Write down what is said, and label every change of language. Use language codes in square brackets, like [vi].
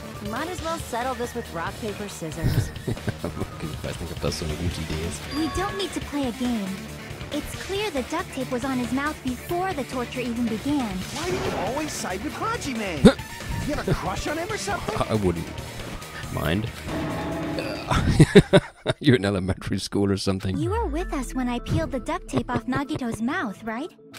[en] Might as well settle this with rock, paper, scissors. [de] Okay, ich weiß nicht, ob das so eine gute Idee ist. [en] We don't need to play a game. It's clear the duct tape was on his mouth before the torture even began. Why do you always side with Hajime? You have a crush on him or something? I wouldn't mind. You're in elementary school or something. You were with us when I peeled the duct tape off Nagito's mouth, right?